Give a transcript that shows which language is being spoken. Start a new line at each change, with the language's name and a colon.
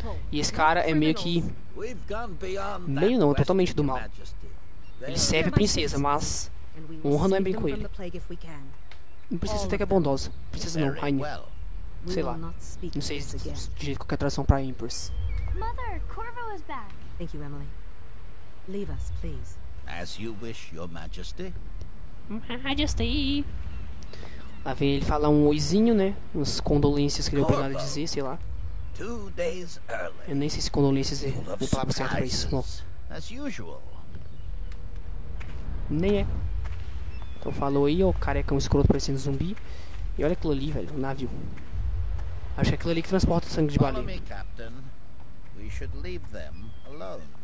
Portuguese: E esse cara é meio que... Meio não, é totalmente do mal. Ele serve a princesa, mas... honra não é bem com ele. Não precisa até que é bondosa. Precisa não, rainha. Sei lá. Não sei de jeito qualquer tradução pra Empress.
English: Mother, Corvo is back. Thank you, Emily. Leave us, please. As you wish, your majesty. Majesty.
Portuguese: Lá vem ele falar um oizinho, né? Umas condolências que ele deu pra nada dizer, sei lá.
English: Two days early.
Portuguese: Eu nem sei se condolências é a palavra certa pra isso.
English: As usual.
Portuguese: Nem é. Então falou aí, ó, carecão escroto parecendo zumbi. E olha aquilo ali, velho, o navio. Acho que é aquilo ali que transporta sangue de baleia.
English: Follow me, Captain. We should leave them alone.